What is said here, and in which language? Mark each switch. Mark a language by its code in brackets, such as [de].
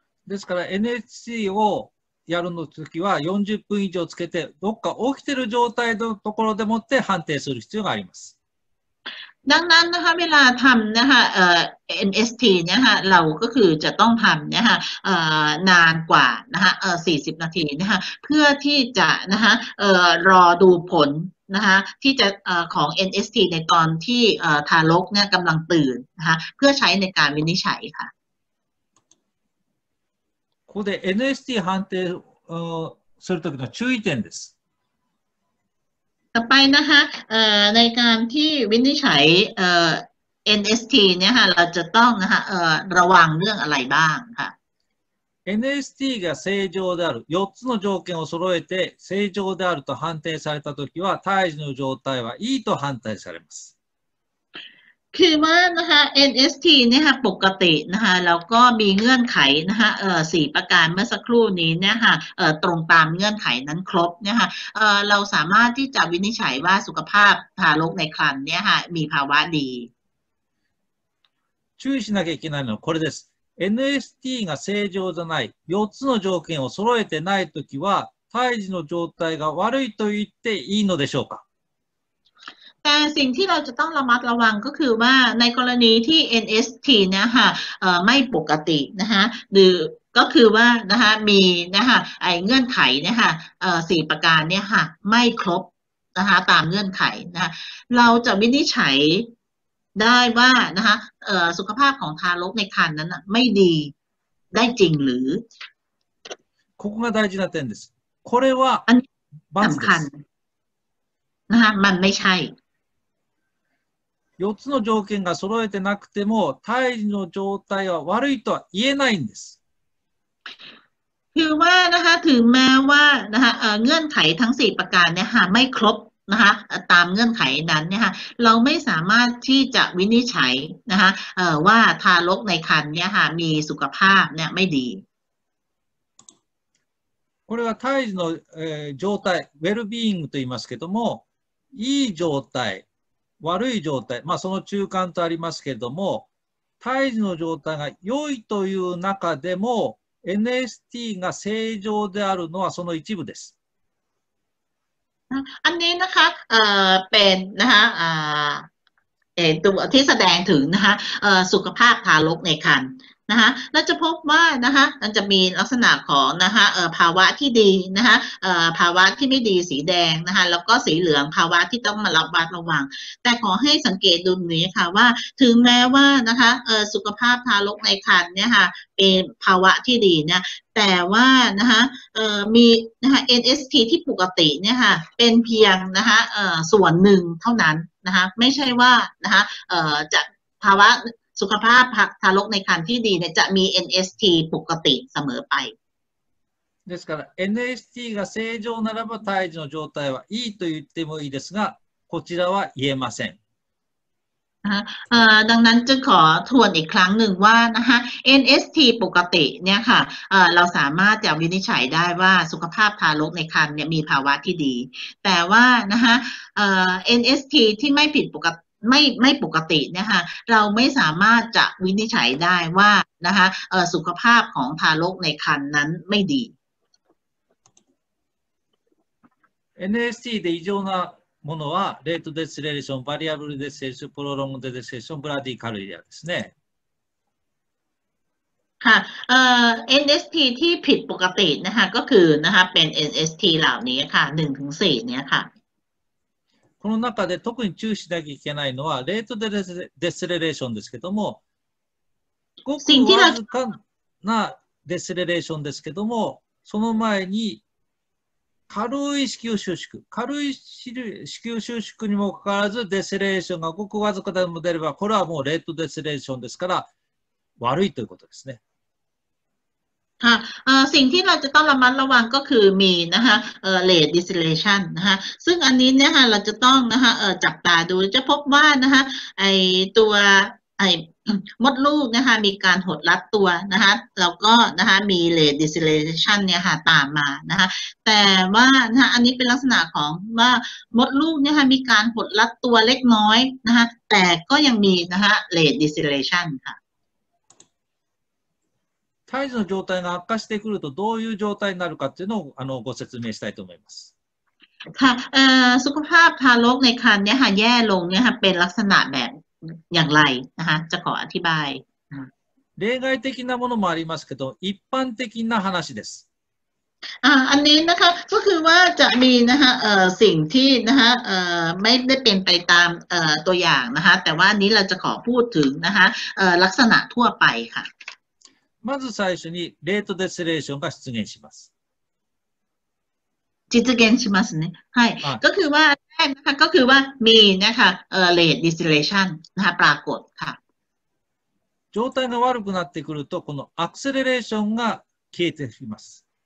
[ja] ですから NHC をやるのときは40分以上つけてどっか起きてる状態のところでもって判定する必要があります。 [th] ดังนั้นนะคะเวลาทำนะคะNST เนี่ยค่ะเราก็คือจะต้องทำเนี่ยค่ะนานกว่านะคะ40นาทีนะคะเพื่อที่จะนะคะรอดูผลนะคะที่จะของ NST ในตอนที่ทารกเนี่ยกำลังตื่นนะคะเพื่อใช้ในการวินิจฉัยค่ะ [ja] ここで NST 判定する時の注意点です。 [th] ต่อไปนะคะในการที่วินิจฉัย NST เนี่ยค่ะเราจะต้องนะคะระวังเรื่องอะไรบ้างค่ะ [ja] NST が正常である4つの条件を揃えて正常であると判定されたときは胎児の状態はいいと判定されます。 [th] คือว่านะคะ NST เนี่ยค่ะปกตินะคะแล้วก็มีเงื่อนไขนะคะ4ประการเมื่อสักครู่นี้เนี่ยค่ะตรงตามเงื่อนไขนั้นครบเนี่ยค่ะเราสามารถที่จะวินิจฉัยว่าสุขภาพทารกในครรภ์เนี่ยค่ะมีภาวะดี [ja] 注意しなきゃいけないのはこれです。NST が正常じゃない4つの条件を揃えてないときは胎児の状態が悪いと言っていいのでしょうか。 [th] แต่สิ่งที่เราจะต้องระมัดระวังก็คือว่าในกรณีที่ NST นะคะไม่ปกตินะคะหรือก็คือว่านะคะมีนะคะไอ้เงื่อนไขนะคะ4ประการเนี่ยค่ะไม่ครบนะคะตามเงื่อนไขนะคะเราจะวินิจฉัยได้ว่านะคะสุขภาพของทารกในครรภ์นั้นไม่ดีได้จริงหรือ [ja] ここが大事な点です。これは [th] อันสำคัญนะคะมันไม่ใช่ [ja] 4つの条件が揃えてなくても胎児の状態は悪いとは言えないんです。 [th] คือว่านะคะถึงแม้ว่านะคะเงื่อนไขทั้ง4ประการเนี่ยค่ะไม่ครบนะคะตามเงื่อนไขนั้นเนี่ยค่ะเราไม่สามารถที่จะวินิจฉัยนะคะว่าทารกในครรภ์เนี่ยค่ะมีสุขภาพเนี่ยไม่ดี [ja] これは胎児の状態、ウェルビーイングと言いますけども、いい状態、悪い状態、まあその中間とありますけれども、胎児の状態が良いという中でも、NST が正常であるのはその一部です。あ、これなんか、ペンなんか、 [th] ตัวที่แสดงถึงนะคะสุขภาพทารกในครรภ์นะคะเราจะพบว่านะคะมันจะมีลักษณะของนะคะภาวะที่ดีนะคะภาวะที่ไม่ดีสีแดงนะคะแล้วก็สีเหลืองภาวะที่ต้องมาระมัดระวังแต่ขอให้สังเกตดูนี้ค่ะว่าถึงแม้ว่านะคะสุขภาพทารกในครรภ์เนี่ยค่ะเป็นภาวะที่ดีเนี่ยแต่ว่านะคะ มีนะคะ NST ที่ปกติเนี่ยค่ะเป็นเพียงนะคะส่วนหนึ่งเท่านั้นนะคะไม่ใช่ว่านะคะจะภาวะสุขภาพทารกในครรภ์ที่ดีเนี่ยจะมี NST ปกติเสมอไป [ja] ですから NST が正常ならば胎児の状態はいいと言ってもいいですがこちらは言えません [th] ดังนั้นจึงขอทวนอีกครั้งหนึ่งว่านะคะ NST ปกติเนี่ยค่ะเราสามารถจะวินิจฉัยได้ว่าสุขภาพทารกในครรภ์เนี่ยมีภาวะที่ดีแต่ว่านะคะNST ที่ไม่ผิดปกติไม่ปกติเนี่ยค่ะเราไม่สามารถจะวินิจฉัยได้ว่านะคะสุขภาพของทารกในครรภ์นั้นไม่ดี [ja] NST で異常なものはレートデスレレーション、バリアブルデスレレーション、プロロングデスレレーション、ブラディカルディアですね。はい。 [th] NST ที่ผิดปกตินะคะก็คือนะคะเป็น NST เหล่านี้ค่ะ1ถึง4เนี่ยค่ะ [ja] この中で特に注視しなきゃいけないのはレートデスレレーションですけどもごくわずかなデスレレーションですけどもその前に軽い子宮収縮、軽い子宮収縮にもかかわらずデセレーションがごくわずかでも出れば、これはもうレートデセレーションですから悪いということですね。はい。 [th] สิ่งที่เราจะต้องระมัดระวังก็คือมีนะคะレートデセレーションนะคะซึ่งอันนี้เนี่ยค่ะเราจะต้องนะคะจับตาดูจะพบว่านะคะไอ้ตัวไอ้มดลูกนะคะมีการหดรัดตัวนะคะแล้วก็นะคะมีเลดดิสเลชันเนี่ยค่ะตามมานะคะแต่ว่านะคะอันนี้เป็นลักษณะของว่ามดลูกเนี่ยค่ะมีการหดรัดตัวเล็กน้อยนะคะแต่ก็ยังมีนะคะเลดดิสเลชันค่ะ [ja] 胎児の状態が悪化してくるとどういう状態になるかっていうのをご説明したいと思います [th] ค่ะสุขภาพทารกในครรภ์เนี่ยค่ะแย่ลงเนี่ยค่ะเป็นลักษณะแบบอย่างไรนะคะจะขออธิบาย [ja] 例外的なものもありますけど一般的な話です [th] อันนี้นะคะก็คือว่าจะมีนะคะสิ่งที่นะคะไม่ได้เป็นไปตามตัวอย่างนะคะแต่ว่านี้เราจะขอพูดถึงนะคะลักษณะทั่วไปค่ะ [ja] まず最初にレートデセレーションが出現します実現しますねはい [th] ก็คือว่าก็คือว่ามีนะคะrate deceleration นะคะปรากฏค่ะ [ja] 状態が悪くなってくるとこのアクセレレーションが消えてきます